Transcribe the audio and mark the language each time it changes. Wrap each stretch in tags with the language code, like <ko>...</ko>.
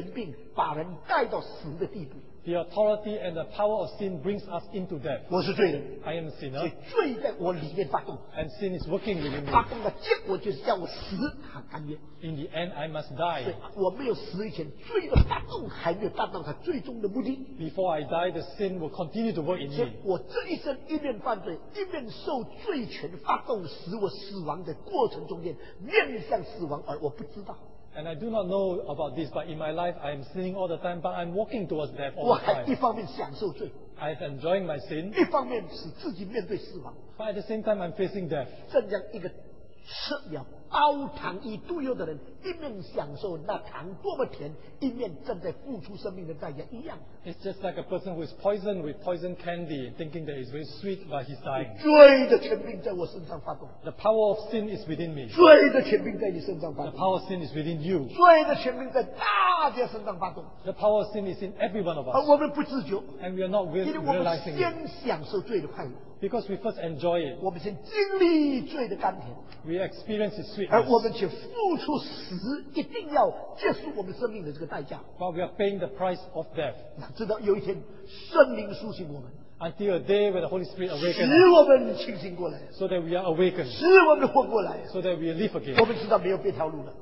<zh>罪的发动就是罪的权柄把人带到死的地步,</zh> <en>the authority and the power of sin brings us into death.</en> <zh>我是罪人,</zh> <en>I am a sinner,</en> <zh>罪在我里面发动,</zh> <en>and sin is working within me.</en> <zh>发动的结果就是叫我死,</zh> <en>in the end, I must die.</en> <zh>我没有死以前, 罪的发动还没有达到他最终的目的,</zh> <en>before I die, the sin will continue to work in me.</en> <zh>我这一生一面犯罪, 一面受罪权发动, 使我死亡的过程中间, 面向死亡而我不知道,</zh> <en>and I do not know about this, but in my life I am sinning all the time, but I am walking towards death all the time.</en> <zh>我还一方面享受罪,</zh> <en>I am enjoying my sin,</en> <zh>一方面使自己面对死亡,</zh> <en>but at the same time I am facing death.</en> <zh>正像一个吃了煲糖一肚油的人, 一面享受那糖多么甜, 一面正在付出生命的代价一样,</zh> <en>it's just like a person who is poisoned with poison candy, thinking that it is very sweet, but he's dying.</en> <zh>罪的权柄在我身上发动,</zh> <en>the power of sin is within me.</en> <zh>罪的权柄在你身上发动,</zh> <en>the power of sin is within you.</en> <zh>罪的权柄在大家身上发动,</zh> <en>the power of sin is in every one of us.</en> <zh>而我们不自觉,</zh> <en>and we are not realizing it,</en> <zh>因为我们先享受罪的快乐,</zh> <en>because we first enjoy it.</en> <zh>我们先经历罪的甘甜,</zh> <en>we experience its sweetness.</en> <zh>而我们却付出死,</zh> <en>but we are paying the price of death.</en> <zh>直到有一天圣灵苏醒我们,</zh> <en>until a day when the Holy Spirit awakens,</en> <zh>使我们清醒过来,</zh> <en>so that we are awakened,</en> <zh>使我们活过来,</zh> <en>so that we live again.</en> <zh>我们知道没有别条路了,</zh>